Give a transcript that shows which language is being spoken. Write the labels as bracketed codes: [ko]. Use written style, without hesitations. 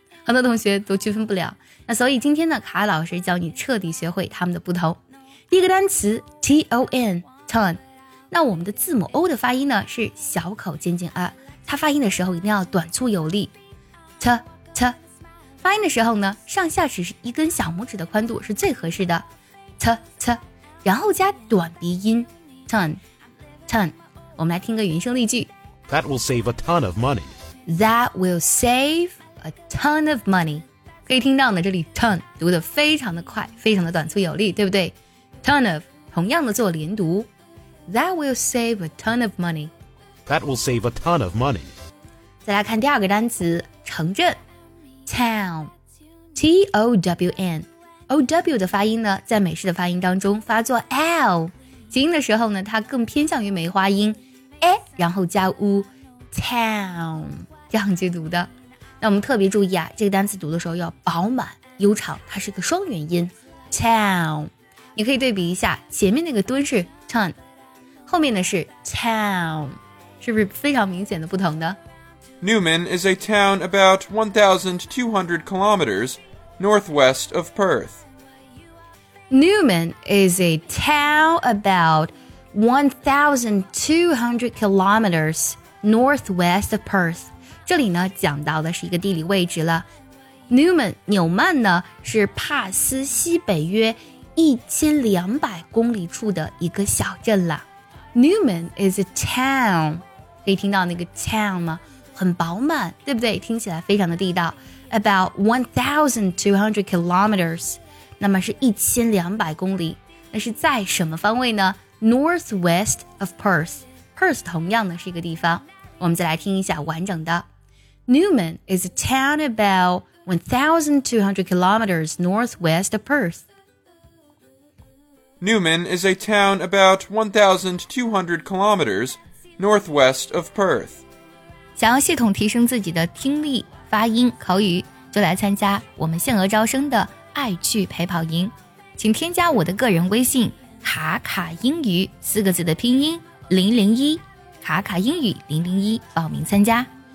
[zh] 很多同学都区分不了。那所以今天呢，卡老师教你彻底学会它们的不同。第一个单词 ton, ton, 那我们的字母 o 的发音呢是小口尖尖啊，它发音的时候一定要短促有力。 t, t, 发音的时候呢，上下齿是一根小拇指的宽度是最合适的。 t, t, 然后加短鼻音 ton, ton。我们来听个原声例句。 [en] That will save a ton of money. That will save a ton of money. [zh] 可以听到呢，这里 ton 读得非常的快，非常的短促有力，对不对？ Ton of, 同样的做连读。 [en] That will save a ton of money. That will save a ton of money. [zh] 再来看第二个单词，城镇。 [en] Town. T-O-W-N. [zh] O-W 的发音呢，在美式的发音当中发作 L。起音的时候呢，它更偏向于梅花音。哎，然后加乌。Town. 这样去读的。那我们特别注意啊，这个单词读的时候要饱满、悠长，它是个双元音。 [en] Town. [zh] 你可以对比一下，前面那个吨是 ton, 后面的是 town, 是不是非常明显的不同呢？ [en] Newman is a town about 1,200 kilometers northwest of Perth. Newman is a town about 1,200 kilometers northwest of Perth. [zh] 这里呢讲到的是一个地理位置了。Newman, 纽曼呢是帕斯西北约1200公里处的一个小镇了。 [en] Newman is a town. [zh] 可以听到那个 town 吗？很饱满，对不对？听起来非常的地道。 [en] About 1,200 kilometers. [zh] 那么是1200公里。那是在什么方位呢？ [en] Northwest of Perth. [zh] Perth 同样的是一个地方。我们再来听一下完整的。 [en] Newman is a town about 1,200 kilometers northwest of Perth. Newman is a town about 1,200 kilometers northwest of Perth. [zh] 想要系统提升自己的听力、发音、口语，就来参加我们限额招生的爱趣陪跑营。请添加我的个人微信卡卡英语四个字的拼音001，卡卡英语001报名参加。